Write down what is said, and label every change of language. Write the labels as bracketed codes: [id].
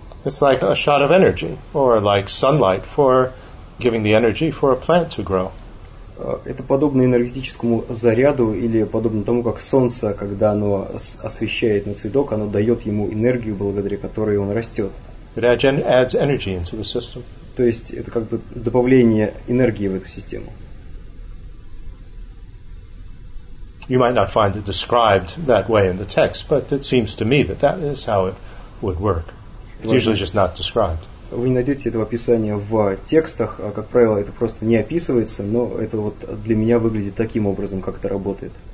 [en] It's like a shot of energy, or like sunlight for giving the energy for a plant to grow. [ru] Это подобно энергетическому заряду или подобно тому, как солнце, когда оно освещает на цветок, оно дает ему энергию, благодаря которой он растет. [en] It adds energy into the system. [ru] То есть это как бы добавление энергии в эту систему. [en] You might not find it described that way in the text, but it seems to me that that is how it would work. It's usually just not described. [ru] Вы не найдете этого описания в текстах, а, как правило, это просто не описывается, но это вот для меня выглядит таким образом, как это работает.